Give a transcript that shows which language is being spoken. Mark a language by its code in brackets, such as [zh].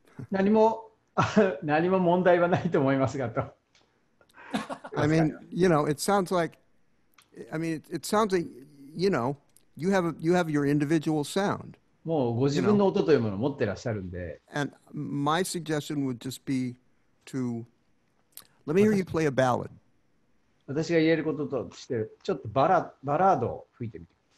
[ja] 何も問題はないと思いますがと。 [en] I mean, you know, it sounds like, you know, you have your individual sound. [ja] もうご自分の音というものを持ってらっしゃるんで。 [en] And my suggestion would just be to, let me hear you play a ballad. [ja] 私が言えることとして、ちょっとバラードを吹いてみて。